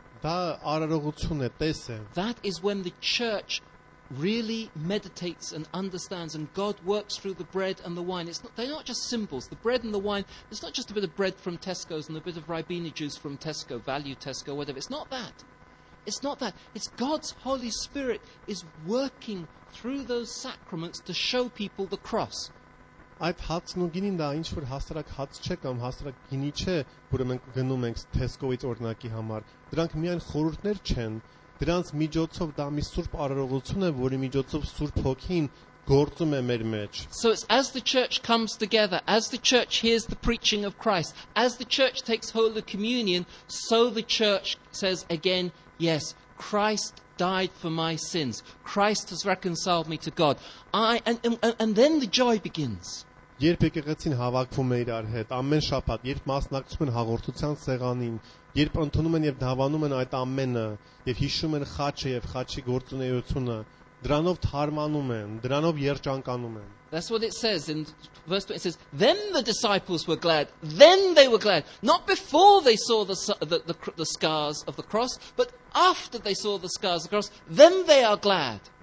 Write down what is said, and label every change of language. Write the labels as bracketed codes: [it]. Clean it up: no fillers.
[en] That is when the church really meditates and understands, and God works through the bread and the wine. They're not just symbols. The bread and the wine, it's not just a bit of bread from Tesco's and a bit of Ribena juice from Tesco, Value Tesco, whatever. It's not that. It's not that. It's God's Holy Spirit is working through those sacraments to show people the cross. [hy] Այդ հացն ու գինին դա ինչ-որ հաստարակ հաց չէ կամ հաստարակ գինի չէ, ուրեմն գնում ենք Tesco-ից օրինակի համար։ Դրանք միայն խորհուրդներ չեն, դրանց միջոցով դա մի սուրբ արարողություն է, որի միջոցով Սուրբ Հոգին գործում է մեր մեջ։ [en] So it's as the church comes together, as the church hears the preaching of Christ, as the church takes Holy Communion, so the church says again, yes, Christ died for my sins. Christ has reconciled me to God. And then the joy begins. [hy] Երբ եկեղեցին հավաքվում է իրար հետ, ամեն շաբաթ, երբ մասնակցում են հաղորդության սեղանին, երբ ընդունում են եւ դավանում են այդ ամենը, եւ հիշում են խաչը եւ խաչի գործունեությունը, դրանով թարմանում են, դրանով երջանկանում են. [en] That's what it says in verse 20. It says, then the disciples were glad. Then they were glad. Not before they saw the scars of the cross, but after they saw the scars of the cross, then they are glad.